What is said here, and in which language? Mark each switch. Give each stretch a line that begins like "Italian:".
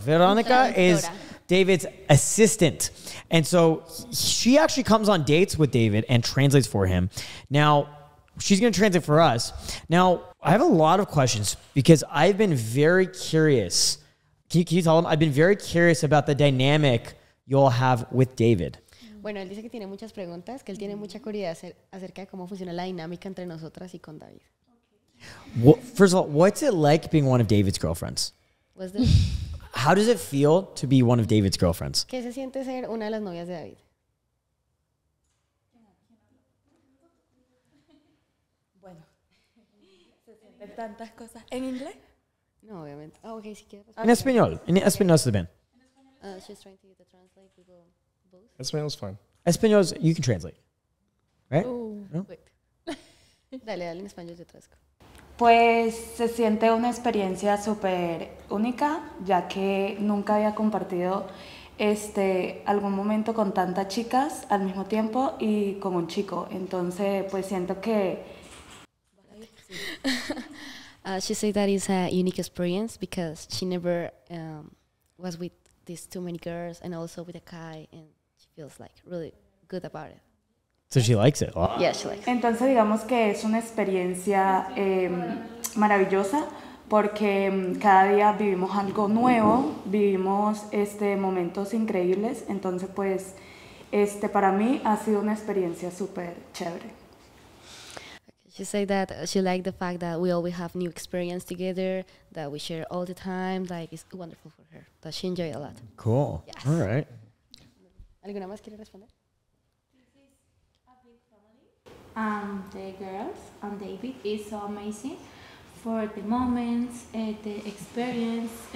English: Veronica is David's assistant. And so she actually comes on dates with David and translates for him. Now, she's going to translate for us. Now, I have a lot of questions because I've been very curious. Can you tell them? I've been very curious about the dynamic you'll have with David.
Spanish: Bueno, él dice que tiene muchas preguntas, que él tiene mucha curiosidad acerca de cómo funciona la dinámica entre nosotras y con David.
English: Well, first of all, what's it like being one of David's girlfriends? What's the... How does it feel to be one of David's girlfriends?
Spanish: ¿Qué se siente ser una de las novias de David? Bueno, se sienten tantas cosas. ¿En inglés? No, obviamente. Oh, okay, si quieres. En español. En español está bien.
English: She's trying to get the translate. Google. Espanol is fine. Espanol, you can translate, right?
Spanish: No? Wait. Dale, dale, en español yo traduzco. Pues se siente una experiencia súper única, ya que nunca había compartido algún momento con tantas chicas al mismo tiempo y con un chico. Entonces, pues siento que...
English: she said that is a unique experience because she never was with these too many girls and also with a guy and... feels like really good about it. So she likes it. Wow. Yeah, she likes it.
Spanish: Entonces digamos que es una experiencia maravillosa porque cada día vivimos algo nuevo, vivimos momentos increíbles, entonces pues para mí ha sido una experiencia super chévere.
English: She said that she liked the fact that we always have new experience together, that we share all the time, like it's wonderful for her. That she enjoyed a lot. Cool. Yes. All right.
Spanish: ¿Alguna más quiere responder?
English: The girls and David is so amazing for the moments, the experience.